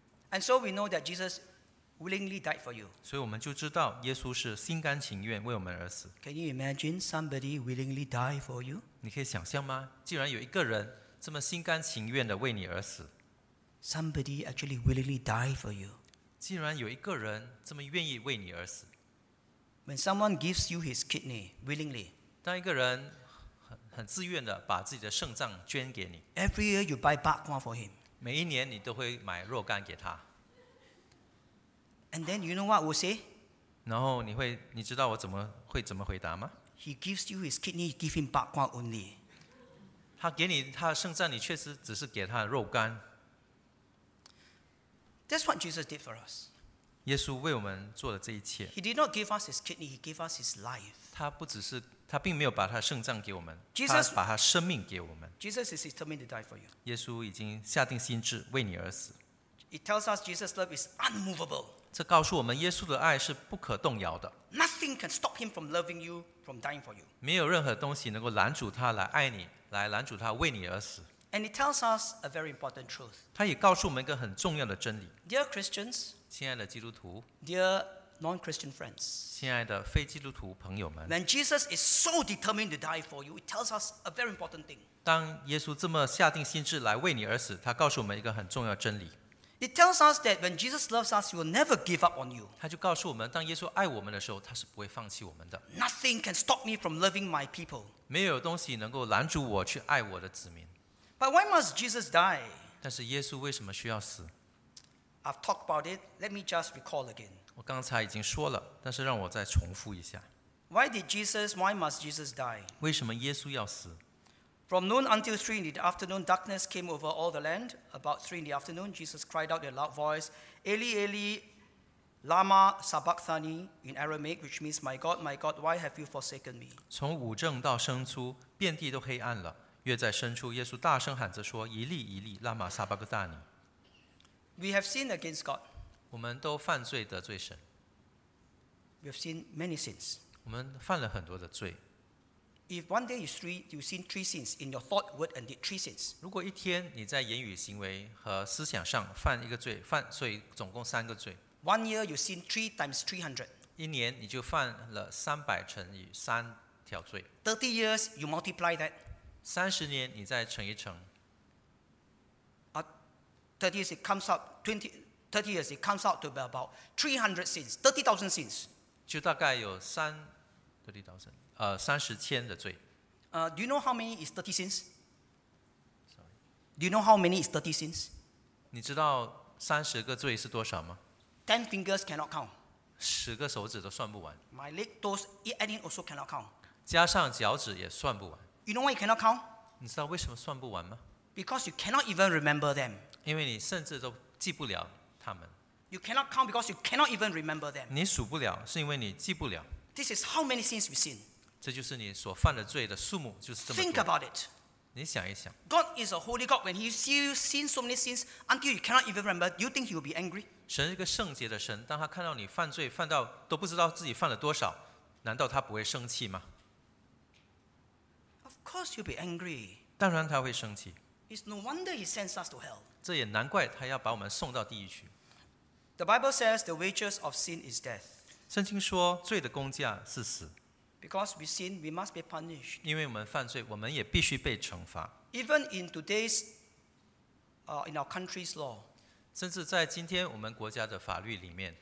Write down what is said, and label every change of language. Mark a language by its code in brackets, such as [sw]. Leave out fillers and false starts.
[en] And so we know that Jesus willingly died for you. [zh] 所以我们就知道耶稣是心甘情愿为我们而死。 [en] Can you imagine somebody willingly die for you? [zh] 你可以想象吗？既然有一个人这么心甘情愿的为你而死。 [en] Somebody actually willingly die for you. [zh] 既然有一个人这么愿意为你而死。 [en] When someone gives you his kidney willingly. [zh] 当一个人很自愿的把自己的肾脏捐给你。 [en] Every year you buy bak kwa for him. [zh] 每一年你都会买肉干给他。 [en] And then you know what we'll say? [zh] 然后你知道我怎么回答吗？ [en] He gives you his kidney, give him bak kwa only. [zh] 他给你他的肾脏，你确实只是给他的肉干。 [en] That's what Jesus did for us. [zh] 耶稣为我们做了这一切。 [en] He did not give us his kidney, he gave us his life. [zh] 他并没有把他的肾脏给我们，他把他生命给我们。 [en] Jesus is determined to die for you. [zh] 耶稣已经下定心志为你而死。 [en] It tells us Jesus' love is unmovable. [zh] 这告诉我们耶稣的爱是不可动摇的。 [en] Nothing can stop him from loving you, from dying for you. [zh] 没有任何东西能够拦阻他来爱你，来拦阻他为你而死。 [en] And it tells us a very important truth. [zh] 他也告诉我们一个很重要的真理。 [en] Dear Christians, [zh] 亲爱的基督徒。 [en] Dear non-Christian friends, [zh] 亲爱的非基督徒朋友们。 [en] When Jesus is so determined to die for you, it tells us a very important thing. [zh] 当耶稣这么下定心志来为你而死，他告诉我们一个很重要真理。 [en] It tells us that when Jesus loves us, he will never give up on you. [zh] 他就告诉我们，当耶稣爱我们的时候，他是不会放弃我们的。 [en] Nothing can stop me from loving my people. [zh] 没有东西能够拦住我去爱我的子民。 [en] But why must Jesus die? [zh] 但是耶稣为什么需要死？ [en] I've talked about it. Let me just recall again. [zh] 我刚才已经说了，但是让我再重复一下。 [en] Why did Jesus? Why must Jesus die? [zh] 为什么耶稣要死？ [en] From noon until 3 in the afternoon, darkness came over all the land. About 3 in the afternoon, Jesus cried out in a loud voice, [arc] Eli, Eli, lama sabachthani, [en] in Aramaic, which means, My God, my God, why have you forsaken me? [zh] 从午正到深出，遍地都黑暗了。越在深处，耶稣大声喊着说，一粒一粒，拉玛撒巴格大尼。 [en] We have sinned against God. [zh] 我们都犯罪得罪神。 [en] We have sinned many sins. [zh] 我们犯了很多的罪。 [en] If one day you sin three sins in your thought, word, and deed, three sins. [zh] 如果一天你在言语、行为和思想上犯一个罪，犯所以总共三个罪。 [en] One year you sin 3 times 300. [zh] 一年你就犯了三百乘以三条罪。 [en] 30 years you multiply that. [zh] 三十年你再乘一乘。 [en] 30 years it comes out to be about 300 sins, 30,000 sins. [zh] 就大概有30,000。30,000 的罪。 [en] Do you know how many is 30 sins? Do you know how many is 30 sins? [zh] 你知道30个罪是多少吗？ [en] 10 fingers cannot count. [zh] 10个手指都算不完。 [en] My leg, toes, adding also cannot count. [zh] 加上脚趾也算不完。 [en] You know why you cannot count? [zh] 你知道为什么算不完吗？ [en] Because you cannot even remember them. [zh] 因为你甚至都记不了他们。 [en] You cannot count because you cannot even remember them. [zh] 你数不了是因为你记不了。 [en] This is how many sins we sin. Think about it. [zh] 你想一想。 [en] God is a holy God. When He sees you sin so many sins until you cannot even remember, do you think He will be angry? [zh] 神是一个圣洁的神，当他看到你犯罪犯到都不知道自己犯了多少，难道他不会生气吗？ [en] Of course, He'll be angry. [zh] 当然他会生气。 [en] It's no wonder He sends us to hell. [zh] 这也难怪他要把我们送到地狱去。 [en] The Bible says the wages of sin is death. [zh] 圣经说罪的工价是死。 [en] Because we sin, we must be punished. [zh] 因为我们犯罪，我们也必须被惩罚。 [en] Even in today's, in our country's law. [zh] 甚至在今天我们国家的法律里面。